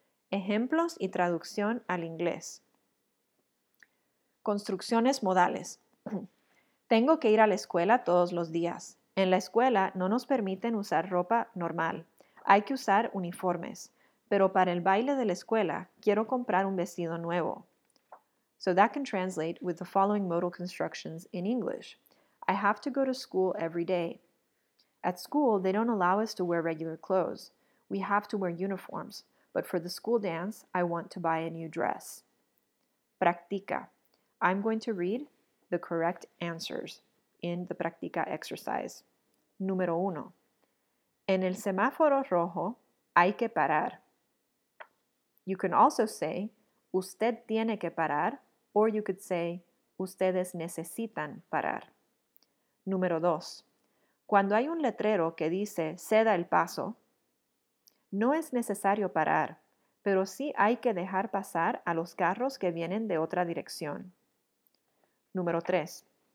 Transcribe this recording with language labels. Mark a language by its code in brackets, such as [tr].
[es] Ejemplos y traducción al inglés. Construcciones modales. Tengo que ir a la escuela todos los días. En la escuela no nos permiten usar ropa normal. Hay que usar uniformes, pero para el baile de la escuela quiero comprar un vestido nuevo. [en] So that can translate with the following modal constructions in English. I have to go to school every day. At school, they don't allow us to wear regular clothes. We have to wear uniforms, but for the school dance, I want to buy a new dress. Practica. I'm going to read the correct answers in the practica exercise. [es] Número uno. En el semáforo rojo, hay que parar. [en] You can also say, [es] usted tiene que parar, [en] or you could say, [es] ustedes necesitan parar. Número dos. Cuando hay un letrero que dice, ceda el paso, no es necesario parar, pero sí hay que dejar pasar a los carros que vienen de otra dirección. Número tres.